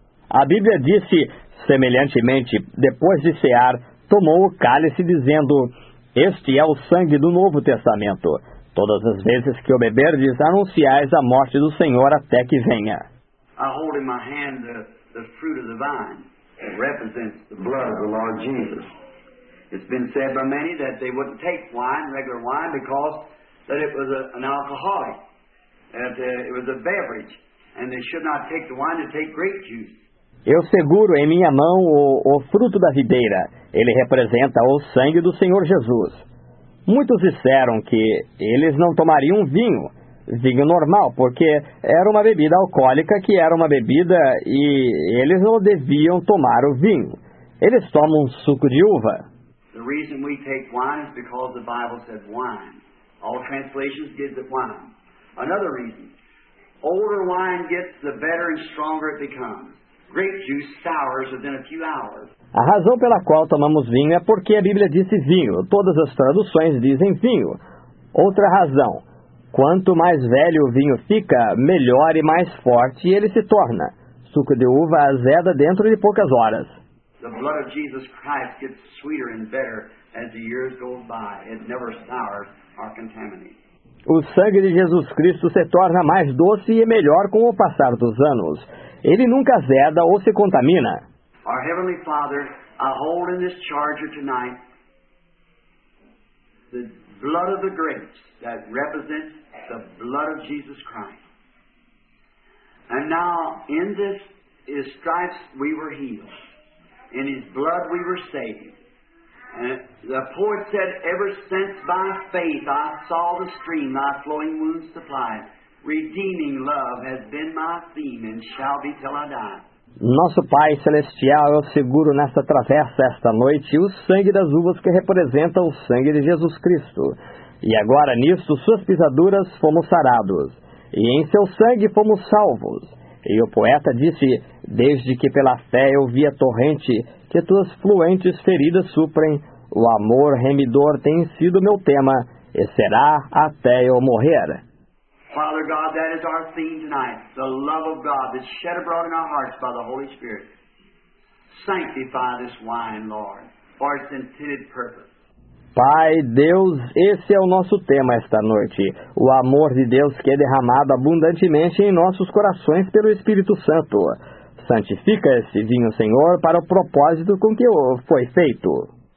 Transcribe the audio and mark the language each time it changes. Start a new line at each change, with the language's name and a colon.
Portuguese: A Bíblia disse, semelhantemente, depois de cear, tomou o cálice, dizendo, este é o sangue do Novo Testamento. Todas as vezes que o beberdes, anunciais a morte do Senhor até que venha.
English: I hold in my hand the fruit of the vine. It represents the blood of the Lord Jesus. It's been said by many that they wouldn't take wine, regular wine, because that it was an alcoholic, that it was a beverage, and they should not take the wine to take grape juice.
Portuguese: Eu seguro em minha mão o fruto da videira. Ele representa o sangue do Senhor Jesus. Muitos disseram que eles não tomariam vinho normal, porque era uma bebida alcoólica, que era uma bebida e eles não deviam tomar o vinho. Eles tomam suco de uva.
English: The reason we take wine is because the Bible said wine. All translations give the wine. Another reason. Older wine gets the better and stronger it becomes. Grape juice sours within a few hours.
Portuguese: A razão pela qual tomamos vinho é porque a Bíblia disse vinho. Todas as traduções dizem vinho. Outra razão. Quanto mais velho o vinho fica, melhor e mais forte ele se torna. Suco de uva azeda dentro de poucas horas.
English: The blood of Jesus Christ gets sweeter and better as the years go by. It never sours or contaminates.
Portuguese: O sangue de Jesus Cristo se torna mais doce e melhor com o passar dos anos. Ele nunca azeda ou se contamina.
English: Our Heavenly Father, I hold in this charger tonight the blood of the grapes that represents the blood of Jesus Christ. And now, in this, His stripes we were healed. In His blood we were saved. And the poet said, ever since by faith I saw the stream thy flowing wounds supplied. Redeeming love has been my theme and shall be till I die.
Portuguese: Nosso Pai Celestial, eu seguro nesta travessa esta noite o sangue das uvas que representa o sangue de Jesus Cristo. E agora nisto, suas pisaduras fomos sarados, e em seu sangue fomos salvos. E o poeta disse, desde que pela fé eu vi a torrente, que tuas fluentes feridas suprem, o amor remidor tem sido meu tema, e será até eu morrer.
English: Father God, that is our theme tonight, the love of God that's shed abroad in our hearts by the Holy Spirit. Sanctify this wine, Lord, for its intended purpose.
Portuguese: Pai, Deus, esse é o nosso tema esta noite, o amor de Deus que é derramado abundantemente em nossos corações pelo Espírito Santo. Santifica esse vinho, Senhor, para o propósito com que foi feito.